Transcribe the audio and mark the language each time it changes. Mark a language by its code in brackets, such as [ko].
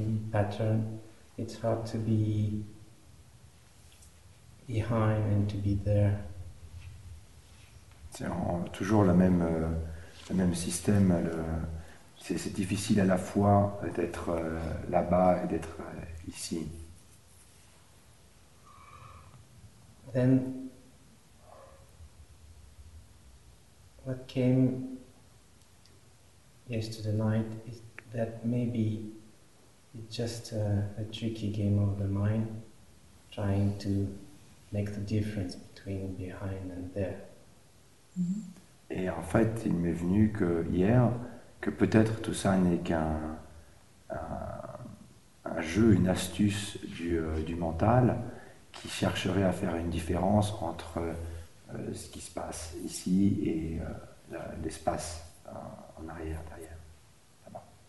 [en] Pattern, it's hard to be behind and to be there. [fr] C'est toujours le même système, c'est difficile à la fois d'être là-bas et d'être ici. [en] Then, what came yesterday night is that maybe it's just a tricky game of the mind, trying to make the difference between behind and there. [fr] Et en fait, il m'est venu que hier, que peut-être tout ça n'est qu'un un jeu, une astuce du mental qui chercherait à faire une différence entre ce qui se passe ici et l'espace en arrière, derrière.